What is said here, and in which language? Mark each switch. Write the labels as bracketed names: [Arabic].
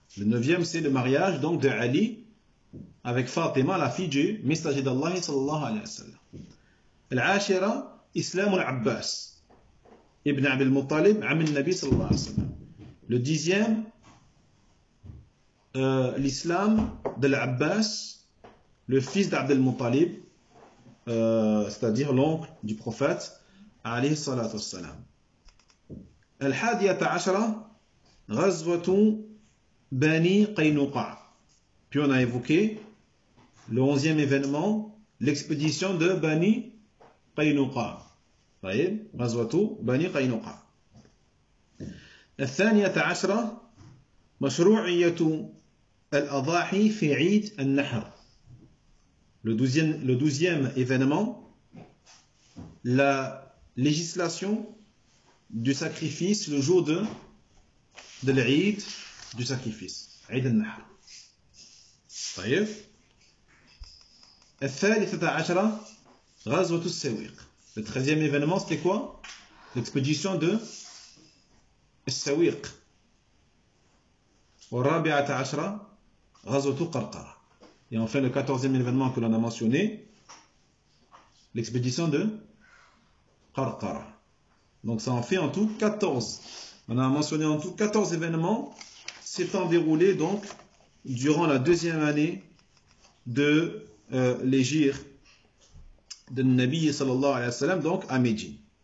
[French] Le neuvième, c'est le mariage donc de Ali avec Fatima, la fille du messager d'Allah sallallahu alayhi wa sallam. [Arabic] العاشرة إسلام العباس ابن عبد المطلب عم النبي صلى الله عليه وسلم. [French] Le dixième l'islam de l'Abbas, le fils d'Abd al-Muttalib, c'est-à-dire l'oncle du prophète [Arabic] عليه الصلاة والسلام. الحادية عشرة غزوة بني قينقاع. [French] Puis on a évoqué le onzième événement, l'expédition de Bani Qaynuqa. [Arabic] طيب غزوة بني قينقاع. الثانية عشرة مشروعية الأضاحي في عيد النحر. [French] Le douzième événement, la législation du sacrifice le jour de de l'Eid du sacrifice. Eid al-Nahr. طيب. [Arabic] الثالثة عشرة غزوة السويق. [French] Le treizième événement, c'était quoi? L'expédition de السويق. [Arabic] والرابعة عشرة غزوة قرقرة. [French] Et enfin, le quatorzième événement que l'on a mentionné, l'expédition de Qarqara. Donc ça en fait en tout 14. On a mentionné en tout 14 événements s'étant déroulés donc durant la deuxième année de l'égir de Nabi sallallahu alayhi wa sallam, donc à Médine.